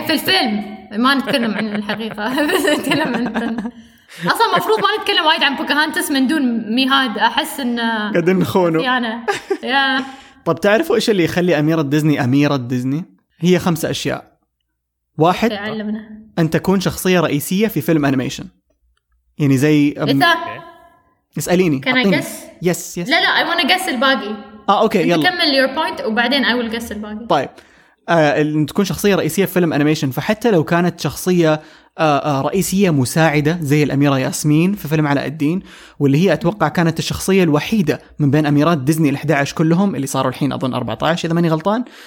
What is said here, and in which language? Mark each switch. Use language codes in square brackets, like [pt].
[ar] في الفيلم ما نتكلم عن الحقيقة بس نتكلم عن أصلا مفروض ما نتكلم وايد عن بوكاهانتس من دون ميهاد, أحس إن قدرنا خونه يعني. طب تعرفوا إيش اللي يخلي أميرة ديزني أميرة ديزني؟ هي خمسة أشياء. واحد تعلمنا. أن تكون شخصية رئيسية في فيلم أنيميشن, يعني زي اسأليني. [en] Can I guess? Yes. [ar] لا [en] I wanna guess [ar] الباقي. أوكي يلا نكمل [en] your point [ar] وبعدين [en] I will guess [ar] الباقي. طيب أن تكون شخصية رئيسية في فيلم أنيميشن, فحتى لو كانت شخصية رئيسية مساعدة زي الأميرة ياسمين في فيلم علاء الدين, واللي هي أتوقع كانت الشخصية الوحيدة من بين أميرات ديزني الـ 11 كلهم اللي صاروا الحين أظن 14 إذا ماني غلطان,